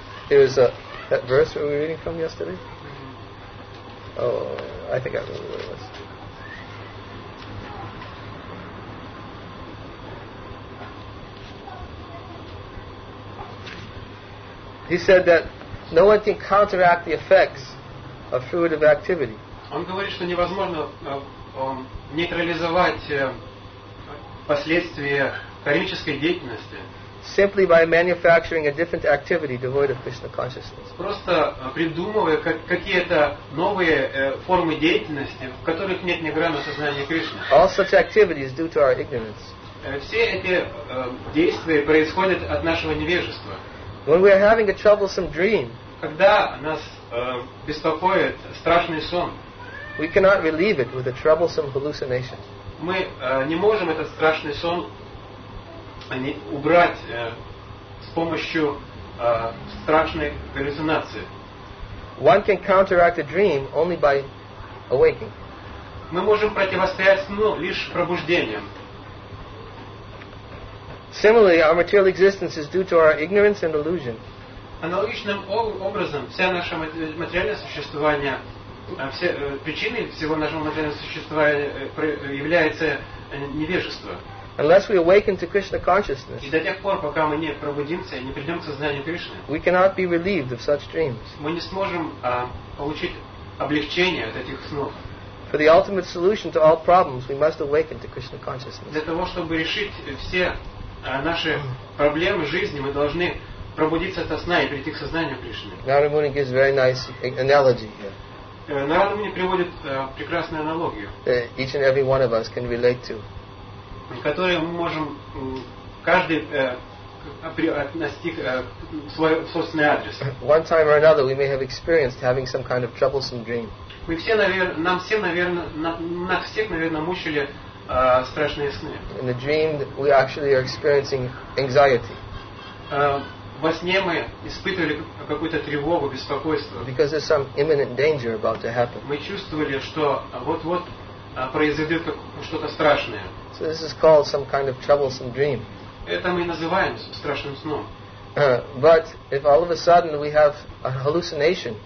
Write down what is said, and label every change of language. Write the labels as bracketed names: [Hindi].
[English] It was that verse we were reading from yesterday. Oh, I think I remember what it was. He said that no one can counteract the effects of fruitive activity. [Russian] Он говорит, что невозможно нейтрализовать последствия кармической деятельности. [English] Simply by manufacturing a different activity devoid of Krishna consciousness. [Russian] Просто придумывая какие-то новые формы деятельности, в которых нет ни грамма сознания Кришны. [English] All such activities due to our ignorance. [Russian] Все эти действия происходят от нашего невежества. [English] When we are having a troublesome dream, [Russian] когда нас беспокоит страшный сон, [English] we cannot relieve it with a troublesome hallucination. [Russian] Мы не можем этот страшный сон убрать с помощью страшной галлюцинации. [English] One can counteract a dream only by awaking. [Russian] Мы можем противостоять сну лишь пробуждением. [English] Similarly, our material existence is due to our ignorance and illusion. [Russian] Аналогичным образом, вся наше материальное существование, все причины всего нашего материального существования является невежество. [English] Unless we awaken to Krishna consciousness, [Russian] и до тех пор, пока мы не пробудимся, не придем к сознанию Кришны, [English] we cannot be relieved of such dreams. [Russian] Мы не сможем получить облегчение от этих снов. [English] For the ultimate solution to all problems, we must awaken to Krishna consciousness. [Russian] Для того, чтобы решить все наши проблемы жизни, мы должны пробудиться от сна и прийти к сознанию Кришны. [English] Narada Muni gives very nice analogy here. [Russian] Narada Muni приводит прекрасную аналогию. [English] Each and every one of us can relate to. [Russian] Которые мы можем каждый отнести свой собственный адрес. [English] One time or another, we may have experienced having some kind of troublesome dream. [Russian] Мы все, нам все, наверное, нас всех, наверное, мучили страшные сны. [English] In the dream, we actually are experiencing anxiety. [Russian] Во сне мы испытывали какую-то тревогу, беспокойство. [English] Because there's some imminent danger about to happen. [Russian] Мы чувствовали, что вот-вот произойдет что-то страшное. [English] So this is called some kind of troublesome dream. [Russian] Это мы называем страшным сном. [English] But if all of a sudden we have a hallucination,